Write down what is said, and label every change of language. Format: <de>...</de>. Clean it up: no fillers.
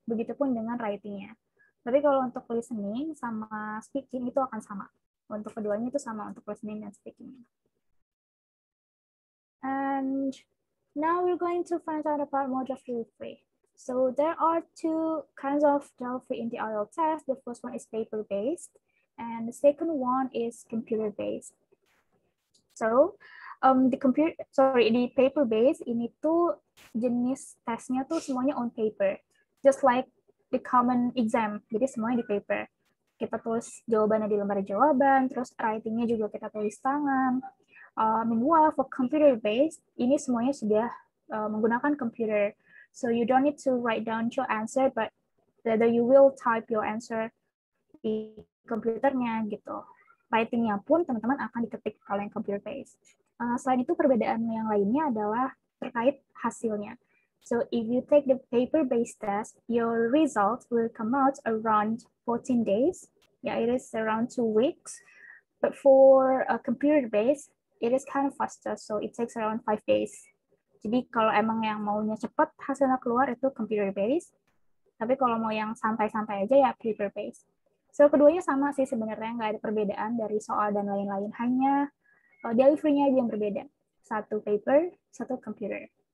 <id>Begitupun dengan writing-nya. Tapi kalau untuk listening sama speaking itu akan sama. Untuk keduanya itu sama untuk listening dan speaking.</id> <en>And now we're going to find out about mode of delivery. So there are two kinds of delivery in the IELTS test. The first one is paper-based, and the second one is computer-based.</en> <id>So the paper-based ini tuh jenis tesnya tuh semuanya</id> <en>on paper, just like the common exam.</en> <id>Jadi semuanya di paper. Kita tulis jawabannya di lembar jawaban, terus writingnya juga kita tulis tangan.</id> <en>Meanwhile, for computer-based,</en> <id>ini semuanya sudah menggunakan komputer.</id> <en>So you don't need to write down your answer, but rather you will type your answer</en> <id>di komputernya gitu. Writing-nya pun teman-teman akan diketik kalau yang computer based. Selain itu perbedaan yang lainnya adalah terkait hasilnya.</id> <en>So if you take the paper based test, your result will come out around 14 days. Yeah, it is around 2 weeks. But for a computer based, it is kind of faster. So it takes around 5 days.</en> <id>Jadi kalau emang yang maunya cepat hasilnya keluar itu computer-based. Tapi kalau mau yang santai-santai aja ya paper-based. So keduanya sama sih sebenarnya, nggak ada perbedaan dari soal dan lain-lain. Hanya delivery-nya aja yang berbeda. Satu paper, satu computer.</id>